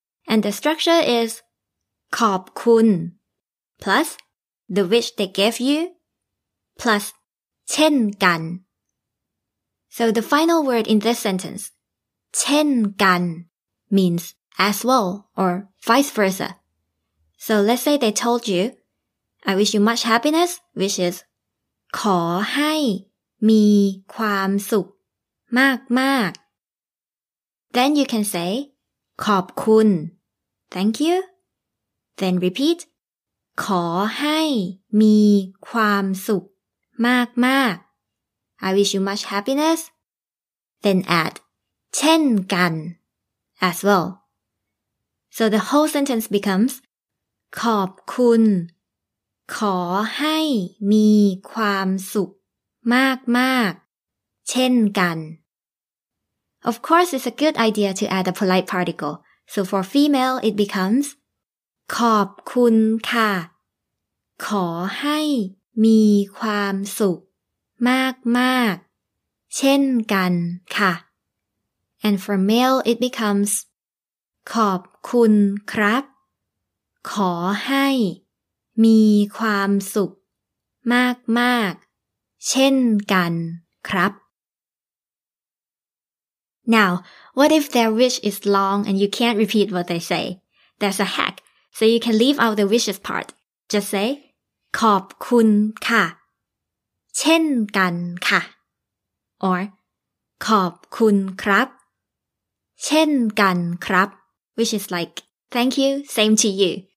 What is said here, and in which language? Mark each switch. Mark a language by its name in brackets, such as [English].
[English] And the structure is, ขอบคุณ plus the wish they gave you plus [Thai] เช่นกัน [English] So the final word in this sentence, เช่นกัน means as well or vice versa. So let's say they told you, I wish you much happiness, which is [Thai] ขอให้มีความสุขมากมาก [English] Then you can say ขอบคุณ thank you. Then repeat [Thai] ขอให้มีความสุขมากมาก [English] I wish you much happiness. Then add เช่นกันas well. So the whole sentence becomes [Thai] ขอบคุณขอให้มีความสุขมากมากเช่นกัน [English] Of course, it's a good idea to add a polite particle. So for female, it becomes [Thai] ขอบคุณค่ะขอให้มีความสุขมากมากเช่นกันค่ะ [English] And for male, it becomes [Thai] ขอบคุณครับขอให้มีความสุขมากมากเช่นกันครับ [English] Now, what if their wish is long and you can't repeat what they say? That's a hack. So you can leave out the wishes part. Just say [Thai] ขอบคุณค่ะเช่นกันค่ะ [English] Or [Thai] ขอบคุณครับเช่นกันครับ [English] which is like thank you same to you